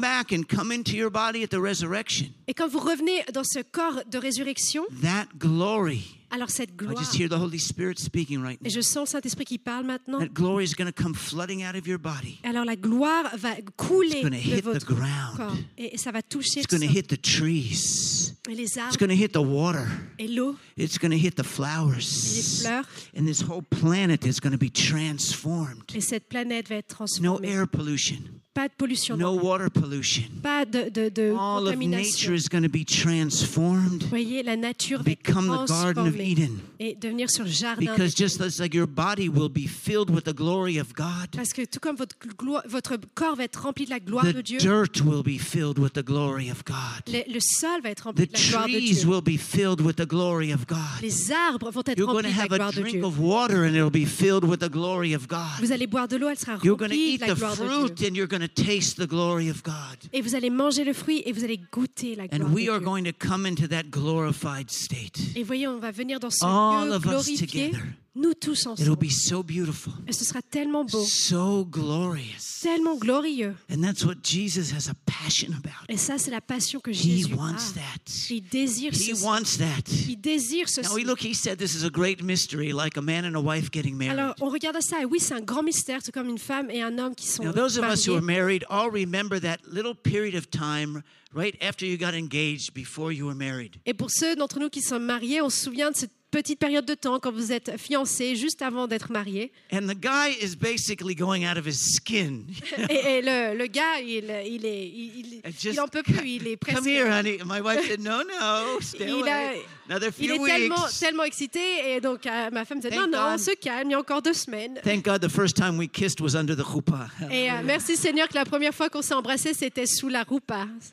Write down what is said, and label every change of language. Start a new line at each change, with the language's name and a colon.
English: Back and come into your body at the resurrection.
French: Et quand vous revenez dans ce corps de résurrection.
English: That glory.
French: Alors cette gloire.
English: I just hear the Holy Spirit speaking right now.
French: Et je sens le Saint-Esprit qui parle maintenant.
English: That glory is going to come flooding out of your body.
French: Alors la gloire va couler
English: it's
French: de votre
English: the ground.
French: Corps. Et ça va toucher
English: it's going to hit the trees.
French: Et les arbres.
English: It's going to hit the water.
French: Et l'eau.
English: It's going to hit the flowers.
French: Et les fleurs.
English: And this whole planet is going to be transformed.
French: Et cette planète va être transformée.
English: No air pollution.
French: Pas de pollution.
English: No water pollution.
French: Pas de
English: all
French: contamination.
English: All of nature is going to be transformed.
French: Voyez, la nature
English: become
French: va être transformée.
English: The garden of Eden.
French: Et devenir sur jardin.
English: Because just as like your body will be filled with the glory of God.
French: Parce que tout comme votre corps va être rempli de la gloire
English: the
French: de Dieu.
English: The dirt will be filled with the glory of God.
French: Le sol va être rempli de la gloire de Dieu.
English: The trees will be filled with the glory of God.
French: Les arbres vont être
English: you're
French: remplis de la gloire de Dieu.
English: You're going to have a drink of water and it'll be filled with the glory of God.
French: Vous allez boire de l'eau, elle sera remplie
English: you're gonna
French: de la gloire de Dieu.
English: You're going to eat the fruit and you're going to taste the glory of God.
French: Et vous allez manger le fruit et vous allez goûter la gloire de Dieu.
English: And we are going to come into that glorified state.
French: Et voyez, on va venir dans ce
English: all
French: lieu
English: of
French: glorifié.
English: Us together.
French: Nous tous ensemble.
English: It'll be so beautiful.
French: Et ce sera tellement beau.
English: So glorious.
French: Tellement glorieux.
English: And that's what Jesus has a passion about.
French: Et ça, c'est la passion que Jésus
English: a. That.
French: Il désire
English: he wants that.
French: Il désire ceci.
English: Now, look, he said this is a great mystery, like a man and a wife getting married.
French: Alors, on regarde ça. Et oui, c'est un grand mystère, tout comme une femme et un homme qui sont mariés.
English: Now, those of us who are married all remember that little period of time right after you got engaged, before you were married.
French: Et pour ceux d'entre nous qui sont mariés, on se souvient de cette petite période de temps quand vous êtes fiancé juste avant d'être marié.
English: And the guy is basically going out of his skin.
French: Et le gars, il en peut plus, il est presque.
English: Come here, honey. My wife said, no, stay away. Another few weeks.
French: Il est tellement excité et donc ma femme dit non, on se calme, il y a encore deux semaines.
English: Thank God, the first time we kissed was under the chuppa.
French: Et merci Seigneur que la première fois qu'on s'est embrassé c'était sous la chuppa.